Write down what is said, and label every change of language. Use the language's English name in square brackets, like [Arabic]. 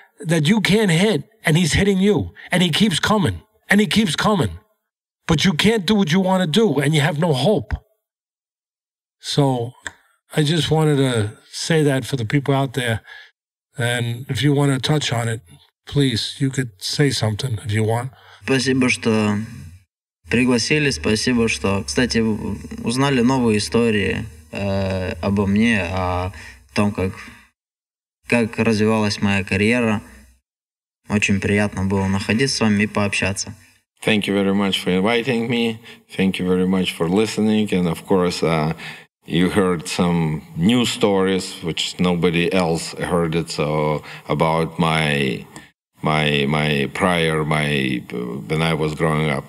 [English] that you can't hit, and he's hitting you, and he keeps coming, and he keeps coming. But you can't do what you want to do, and you have no hope. So I just wanted to say that for the people out there. And if you want to touch on it, please, you could say something if you want. [Russian] Спасибо, что пригласили. Спасибо, что, кстати, узнали новые истории обо мне, о том, как развивалась моя карьера. Очень приятно было находиться с вами и пообщаться. [English] Thank you very much for inviting me. Thank you very much for listening. And of course, you heard some new stories, which nobody else heard it. So about my prior, when I was growing up.